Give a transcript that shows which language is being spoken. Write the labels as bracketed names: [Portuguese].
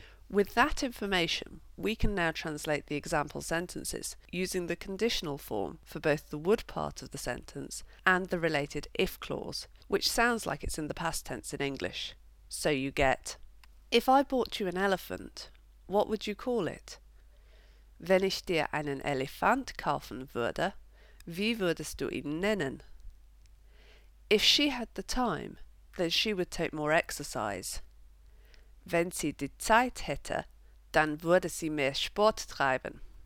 [English] With that information, we can now translate the example sentences using the conditional form for both the would part of the sentence and the related if clause, which sounds like it's in the past tense in English. So you get, if I bought you an elephant, what would you call it? [German] Wenn ich dir einen Elefant kaufen würde, wie würdest du ihn nennen? [English] If she had the time, then she would take more exercise. [German] Wenn sie die Zeit hätte, dann würde sie mehr Sport treiben.